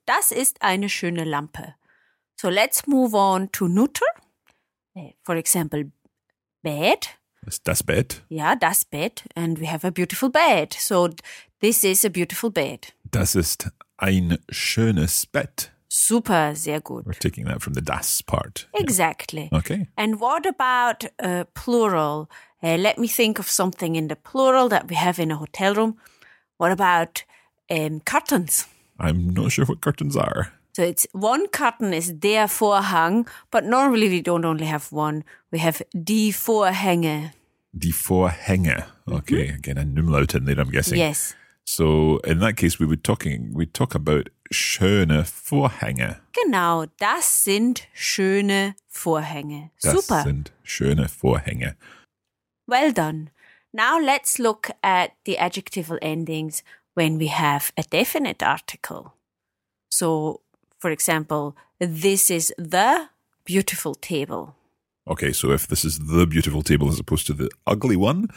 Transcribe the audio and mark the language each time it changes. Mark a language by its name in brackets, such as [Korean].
[German] Das ist eine schöne Lampe. [English] So let's move on to neuter. For example, bed. [German] Das Bett. Ja, das Bett. [English] And we have a beautiful bed. So this is a beautiful bed. [German] Das ist ein schönes Bett. Super, sehr gut. [English] We're taking that from the das part. Exactly. Yeah. Okay. And what about plural? Let me think of something in the plural that we have in a hotel room. What about curtains? I'm not sure what curtains are. So it's one curtain is der Vorhang, but normally we don't only have one. We have [German] die Vorhänge. Die Vorhänge. Okay, mm-hmm. [English] Again, a Numlaut in there, I'm guessing. Yes. So in that case, we talk about [German] schöne Vorhänge. Genau, das sind schöne Vorhänge. Das Super. Das sind schöne Vorhänge. [English] Well done. Now let's look at the adjectival endings when we have a definite article. So, for example, this is the beautiful table. Okay, so if this is the beautiful table as opposed to the ugly one.